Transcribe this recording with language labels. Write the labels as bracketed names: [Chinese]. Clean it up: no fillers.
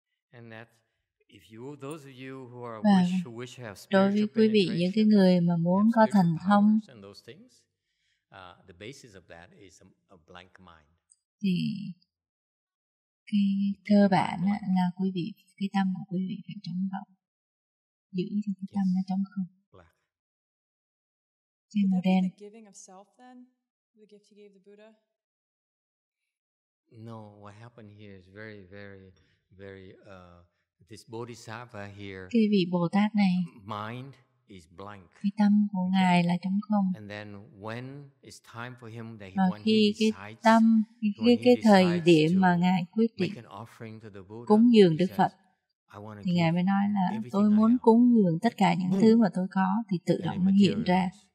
[English] And that, if you, those of you who are wish have spiritual [Vietnamese] penetration, đối với quý vị những cái người mà muốn có thần thông, [English] and those things, the basis of that is a blank mind. [Vietnamese] Thì cái cơ bản là quý vị cái tâm của quý vị phải trống rỗng, giữ cho cái tâm nó trống không. [English] Would that be the giving of self then, the gift he gave the Buddha? No, what happened here is very, very, very. This bodhisattva here. [Vietnamese] Cái vị Bồ Tát này. [English] Mind is blank. [Vietnamese] Cái tâm của ngài là trống không. [English] And then when it's time for him that [Vietnamese] thời điểm mà ngài quyết định cúng dường Đức Phật, thì ngài mới nói là tôi muốn cúng dường tất cả những thứ mà tôi có, thì tự động nó hiện ra.